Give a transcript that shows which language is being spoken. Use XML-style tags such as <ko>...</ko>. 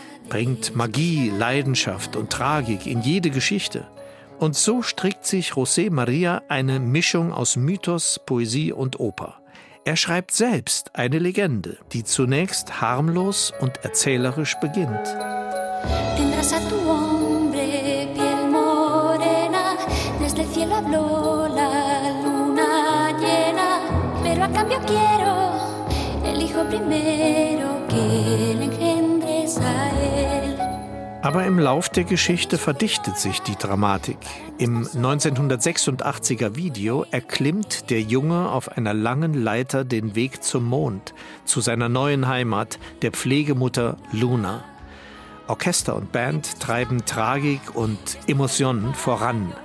<de>bringt Magie, Leidenschaft und Tragik in jede Geschichte. Und so strickt sich José María eine Mischung aus Mythos, Poesie und Oper. Er schreibt selbst eine Legende, die zunächst harmlos und erzählerisch beginnt.</de> <es>Tendrás a tu hombre piel morena, desde el cielo habló la luna llena, pero a cambio quiero el hijo primero que le engendres a él.</es> <de>Aber im Lauf der Geschichte verdichtet sich die Dramatik. Im 1986er Video erklimmt der Junge auf einer langen Leiter den Weg zum Mond, zu seiner neuen Heimat, der Pflegemutter Luna. Orchester und Band treiben Tragik und Emotionen voran.</de>